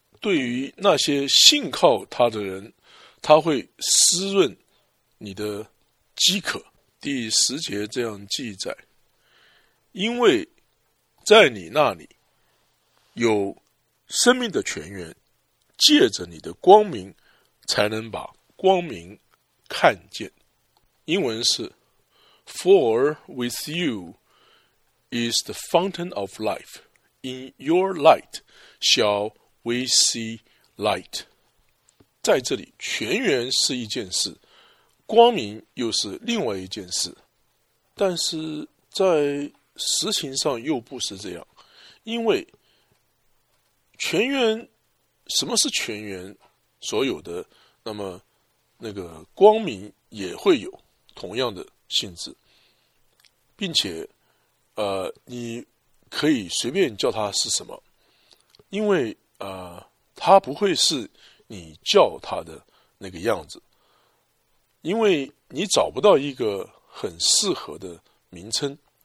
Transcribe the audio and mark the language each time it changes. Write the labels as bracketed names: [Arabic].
[Chinese] 对于那些信靠他的人，他会湿润你的饥渴。第十节这样记载，因为在你那里有生命的泉源，借着你的光明才能把光明看见。英文是 [English] For with you is the fountain of life, in your light shall we see light。 [Chinese] 在这里，泉源是一件事，光明又是另外一件事，但是在实情上又不是这样。因为泉源，什么是泉源所有的，那么那个光明也会有同样的性质，并且你可以随便叫它是什么，因为它不会是你叫他的那个样子，因为你找不到一个很适合的名称。